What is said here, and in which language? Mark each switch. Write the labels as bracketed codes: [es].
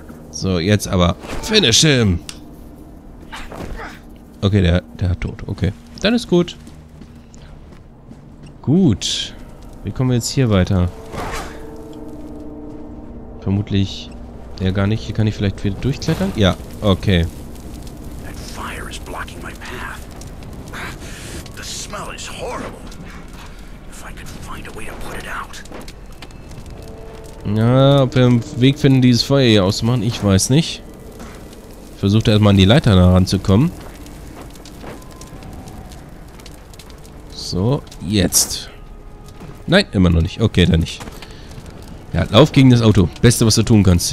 [de] So, jetzt aber. [en] Finish him! [de] Okay, der hat tot. Okay. Dann ist gut. Gut. Wie kommen wir jetzt hier weiter? Vermutlich. Ja, gar nicht. Hier kann ich vielleicht wieder durchklettern? Ja, okay. [en] That fire is blocking my path. The smell is horrible. If I could find a way to put it out. [de] Ja, ob wir einen Weg finden, dieses Feuer hier auszumachen, ich weiß nicht. Versucht erstmal an die Leiter heranzukommen. So, jetzt. Nein, immer noch nicht. Okay, dann nicht. Ja, lauf gegen das Auto. Beste, was du tun kannst.